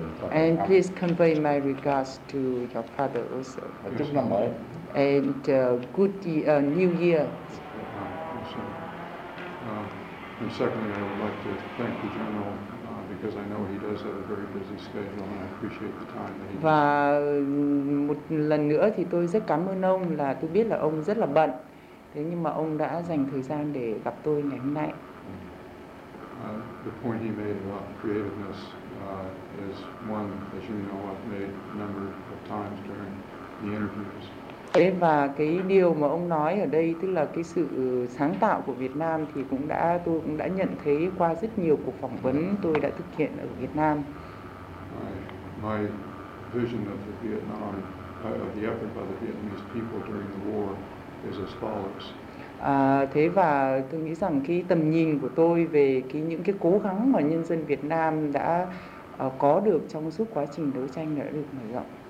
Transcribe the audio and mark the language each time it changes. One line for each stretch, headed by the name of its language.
English: and please convey my regards to your father also.
Vietnamese: Chúc năm mới.
English: And New Year. And secondly, I would like to thank the general because I know he does have a very busy schedule, and I appreciate the time that he.
Vietnamese: Và một lần nữa thì tôi rất cảm ơn ông là tôi biết là ông rất là bận, thế nhưng mà ông đã dành thời gian để gặp tôi ngày hôm nay.
English: The point he made about creativeness is one, as you know, I've made a number of times during the interviews.
Vietnamese: Và cái điều mà ông nói ở đây, tức là cái sự sáng tạo của Việt Nam thì tôi cũng đã nhận thấy qua rất nhiều cuộc phỏng vấn tôi đã thực hiện ở Việt Nam.
English: My vision of the Vietnam, of the effort by the Vietnamese people during the war is as follows.
Vietnamese: Thế và tôi nghĩ rằng cái tầm nhìn của tôi về cái những cái cố gắng mà nhân dân Việt Nam đã có được trong suốt quá trình đấu tranh đã được mở rộng.